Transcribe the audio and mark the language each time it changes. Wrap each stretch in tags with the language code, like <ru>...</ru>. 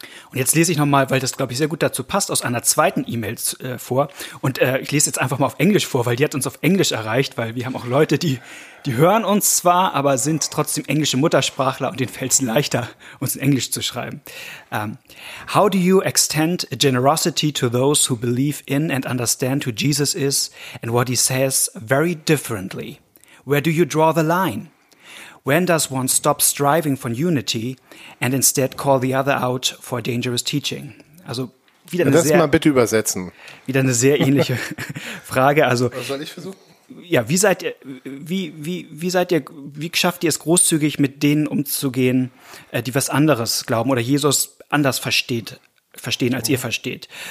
<de>Und jetzt lese ich nochmal, weil das, glaube ich, sehr gut dazu passt, aus einer zweiten E-Mail vor. Und ich lese jetzt einfach mal auf Englisch vor, weil die hat uns auf Englisch erreicht, weil wir haben auch Leute, die hören uns zwar, aber sind trotzdem englische Muttersprachler und denen fällt es leichter, uns in Englisch zu schreiben.</de> <en>How do you extend generosity to those who believe in and understand who Jesus is and what he says very differently? Where do you draw the line? When does one stop striving for unity and instead call the other out for dangerous teaching?</en> <de>Also wieder eine sehr, das mal bitte übersetzen. Wieder eine sehr ähnliche Frage. Also, was soll ich versuchen? Ja, wie schafft ihr es großzügig, mit denen umzugehen, die was anderes glauben oder Jesus anders verstehen, als ihr versteht?</de>